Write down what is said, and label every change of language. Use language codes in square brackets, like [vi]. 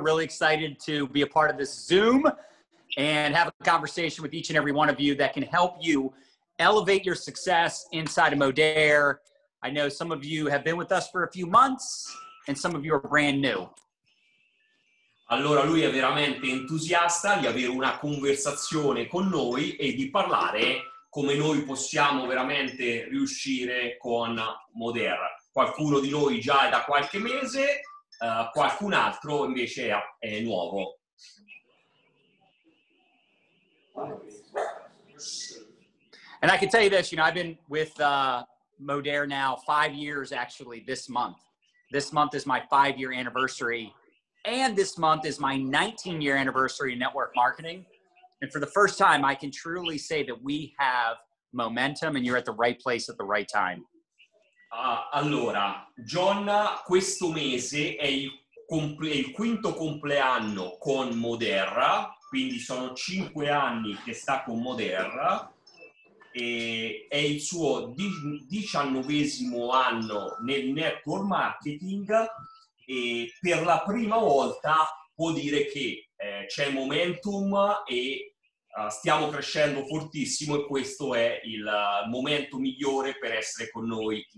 [en] Really excited to be a part of this Zoom and have a conversation with each and every one of you that can help you elevate your success inside of Moder. I know some of you have been with us for a few months and some of you are brand new. [it] Allora, lui è veramente entusiasta di avere una conversazione con noi e di parlare come noi possiamo veramente riuscire con Moder. Qualcuno di noi già è da qualche mese, qualcun altro invece è nuovo. [en] And I can tell you this, you know, I've been with Moder now 5 years, actually, this month. This month is my 5-year anniversary. And this month is my 19-year anniversary in network marketing. And for the first time, I can truly say that we have momentum and you're at the right place at the right time. [it] Allora, John, questo mese è il quinto compleanno con Moder. Quindi sono 5 anni che sta con Moder. E è il suo 19° anno nel network marketing e per la prima volta può dire che c'è momentum e stiamo crescendo fortissimo e questo è il momento migliore per essere con noi.